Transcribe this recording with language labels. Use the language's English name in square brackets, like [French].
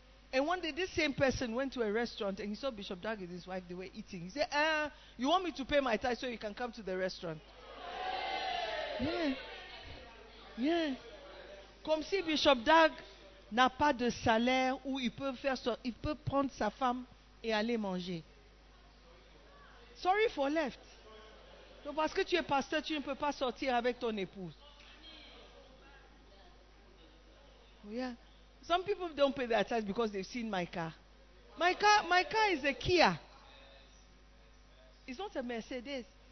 [English] And one day, this same person went to a restaurant and he saw Bishop Doug and his wife, they were eating. He said, you want me to pay my tithe so you can come to the restaurant? Yeah. Yeah. [French] Comme si Bishop Doug n'a pas de salaire où il peut prendre sa femme et aller manger. [English] Sorry for left. [French] Donc parce que tu es pasteur, tu ne peux pas sortir avec ton épouse. [English] Oh yeah. Some people don't pay their tithes because they've seen my car. My car is a Kia. It's not a Mercedes.